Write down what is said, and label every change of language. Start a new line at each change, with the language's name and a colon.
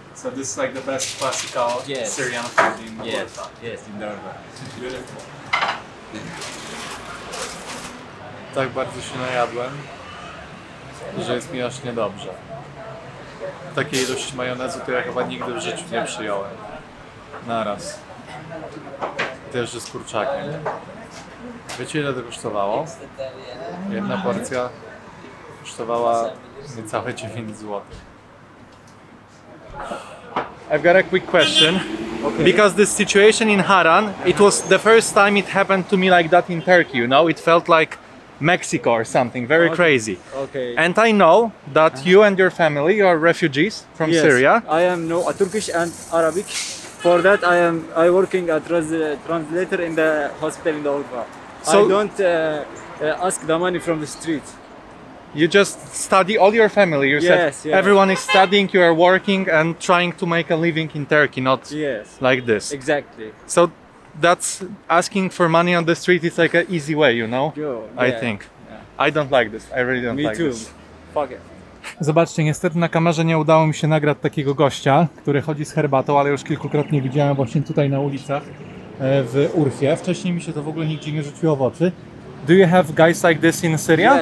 English: So this is like the best classical Syrian food in the Urfa. Yes, in the Urfa. Beautiful.
Polish: Tak bardzo się najadłem, że jest mi aż niedobrze. Takiej ilości majonezu to ja chyba nigdy w życiu nie przyjąłem. Naraz. Też z kurczakiem. Wiecie, ile to kosztowało? Jedna porcja kosztowała niecałe 9 zł.
English: I've got a quick question. Okay. Because the situation in Haran, it was the first time it happened to me like that in Turkey, you know? It felt like Mexico or something, very crazy. Okay. And I know that you and your family are refugees from Syria. I am a Turkish and Arabic. For that, I am working as a translator in the hospital in the Urfa. So I don't ask the money from the street. You just study all your family. You said everyone is studying, you are working and trying to make a living in Turkey, not like this. Exactly. So that's asking for money on the street is like an easy way, you know? Yeah. I think. Yeah. I don't like this. I really don't me like too. This. Me too. Fuck it.
Polish: Zobaczcie, niestety na kamerze nie udało mi się nagrać takiego gościa, który chodzi z herbatą, ale już kilkukrotnie widziałem właśnie tutaj na ulicach w Urfie. Wcześniej mi się to w ogóle nigdzie nie rzuciło w oczy.
English: Do you have guys like this in Syria?